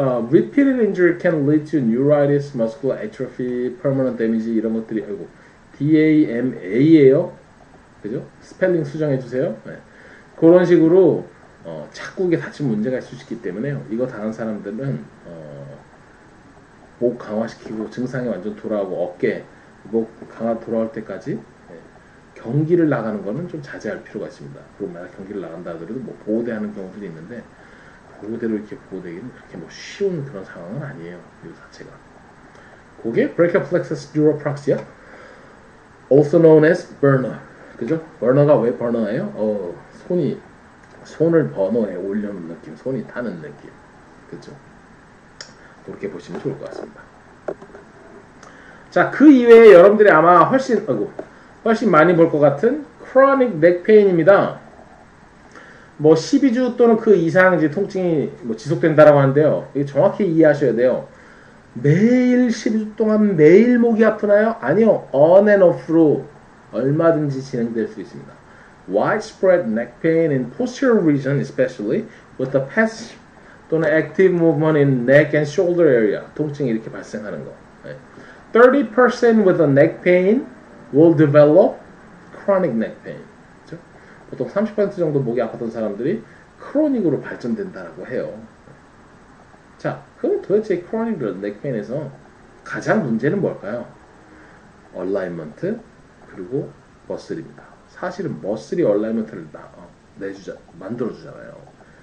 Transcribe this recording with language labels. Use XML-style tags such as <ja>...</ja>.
<en>Repeated injury can lead to neuritis, muscular atrophy, permanent damage</en> <ko>이런 것들이 아이고 DAMA예요. 그죠? 스펠링 수정해 주세요. 네. 그런 식으로 자꾸 이게 다친 문제가 있을 수 있기 때문에요. 이거 다른 사람들은 목 강화시키고 증상이 완전 돌아오고 어깨 목 강화 돌아올 때까지 경기를 나가는 거는 좀 자제할 필요가 있습니다. 그리고 만약 경기를 나간다 하더라도 뭐 보호대하는 경우도 있는데 보호대로 이렇게 보호되기는 그렇게 뭐 쉬운 그런 상황은 아니에요. 이 자체가. 그게 브래키오플렉서스 뉴로프락시아,</ko> <en>also known as burner.</en> <ko>그죠? 버너가 왜 버너예요? 손이 손을 버너에 올려놓는 느낌, 손이 타는 느낌, 그렇죠? 그렇게 보시면 좋을 것 같습니다. 자, 그 이외에 여러분들이 아마 훨씬 훨씬 많이 볼것 같은 크로닉 넥페인입니다. 뭐 12주 또는 그 이상 이제 통증이 뭐 지속된다라고 하는데요. 이게 정확히 이해하셔야 돼요. 매일 12주 동안 매일 목이 아프나요? 아니요,</ko> <en>on and off</en> <ko>로 얼마든지 진행될 수 있습니다.</ko> <en>Widespread neck pain in posterior region, especially with the passive</en> <ko>또는</ko> <en>active movement in neck and shoulder area.</en> <ko>통증이 이렇게 발생하는 거.</ko> <en>30% with a neck pain will develop chronic neck pain.</en> <ko>그렇죠? 보통 30% 정도 목이 아팠던 사람들이 크로닉으로 발전된다라고 해요. 자, 그럼 도대체 크로닉 neck pain에서 가장 문제는 뭘까요? Alignment 그리고 Muscle입니다. 사실은 머슬이 얼라이먼트를 만들어주잖아요.</ko>